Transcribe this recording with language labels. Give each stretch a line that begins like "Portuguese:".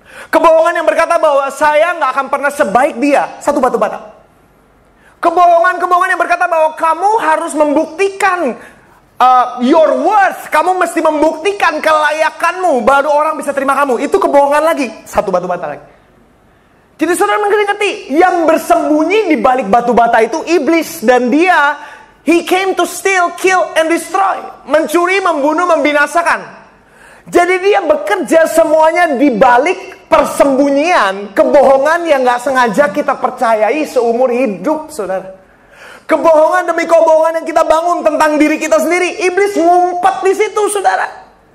Indonesian: Kebohongan yang berkata bahwa saya gak akan pernah sebaik dia, satu batu bata. Kebohongan-kebohongan yang berkata bahwa kamu harus membuktikan your worth, kamu mesti membuktikan kelayakanmu, baru orang bisa terima kamu. Itu kebohongan lagi, satu batu bata lagi. Jadi saudara mengerti-ngerti, yang bersembunyi di balik batu bata itu iblis. Dan dia,
English: he came to steal, kill, and destroy.
Indonesian: Mencuri, membunuh, membinasakan. Jadi dia bekerja semuanya di balik persembunyian, kebohongan yang gak sengaja kita percayai seumur hidup, saudara. Kebohongan demi kebohongan yang kita bangun tentang diri kita sendiri, iblis ngumpet di situ, saudara.